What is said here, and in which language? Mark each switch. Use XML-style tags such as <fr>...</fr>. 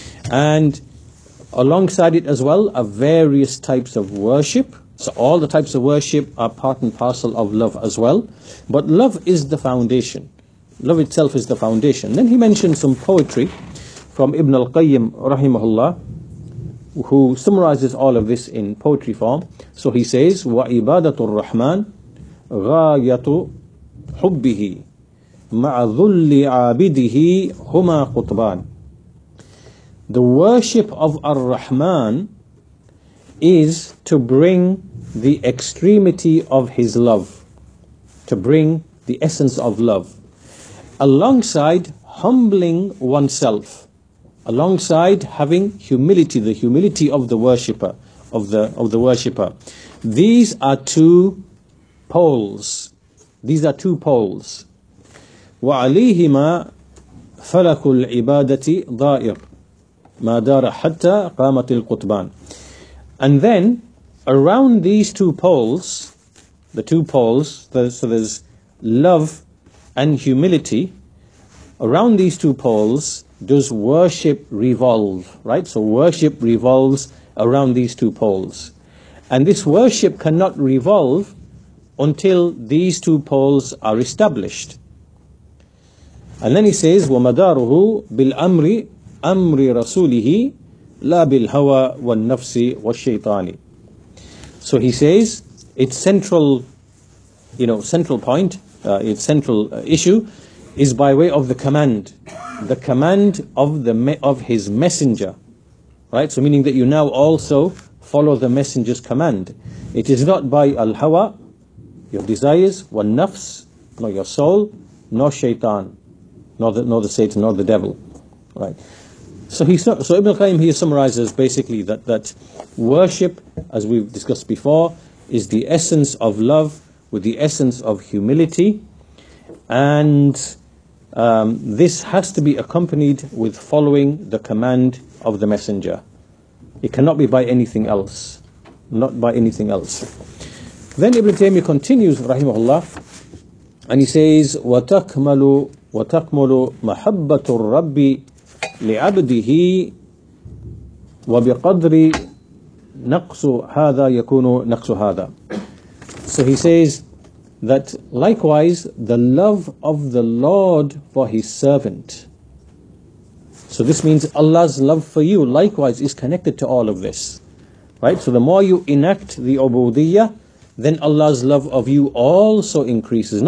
<en>And alongside it as well are various types of worship. So all the types of worship are part and parcel of love as well. But love is the foundation. Love itself is the foundation. Then he mentions some poetry from Ibn al-Qayyim rahimahullah, who summarizes all of this in poetry form. So he says,</en> <ar>وَعِبَادَةُ الرَّحْمَنِ غَايَةُ حُبِّهِ مَعَ ذُلِّ عَابِدِهِ هُمَا قُطْبَانِ.</ar> <en>The worship of Ar-Rahman is to bring the extremity of his love, to bring the essence of love, alongside humbling oneself, alongside having humility, the humility of the worshipper, of the worshipper. These are two poles. These are two poles.</en> <ar>وَعَلِيهِمَا فَلَكُ الْعِبَادَةِ ضَائِرٌ مَا دَارَ حَتَّى قَامَتِ الْقُطْبَانِ.</ar> <en>And then, around these two poles, the two poles, so there's love and humility, around these two poles does worship revolve, right? So worship revolves around these two poles. And this worship cannot revolve until these two poles are established. And then he says,</en> <ar>وَمَدَارُهُ بِالْأَمْرِ أَمْرِ رَسُولِهِ لَا بِالْهَوَى وَالنَّفْسِ وَالشَّيْطَانِ.</ar> <en>So he says, its central, you know, central point, its central issue is by way of the command of the of his messenger. Right, so meaning that you now also follow the messenger's command. It is not by al-hawa, your desires, one nafs, nor your soul, nor shaitan, nor the Satan, nor the devil. Right. So Ibn al-Qayyim here summarizes basically that worship, as we've discussed before, is the essence of love with the essence of humility, and this has to be accompanied with following the command of the messenger. It cannot be by anything else. Not by anything else. Then Ibn Taymiyyah continues, rahimahullah, and he says,</en> <ar>وَتَكْمَلُ مَحَبَّةُ الرَّبِّ لِعَبْدِهِ وَبِقَدْرِ نَقْسُ هَذَا يَكُونُ نَقْسُ هَذَا.</ar> <en>So he says that likewise, the love of the Lord for his servant. So this means Allah's love for you likewise is connected to all of this. Right? So the more you enact the ubudiyyah, then Allah's love of you also increases.</en>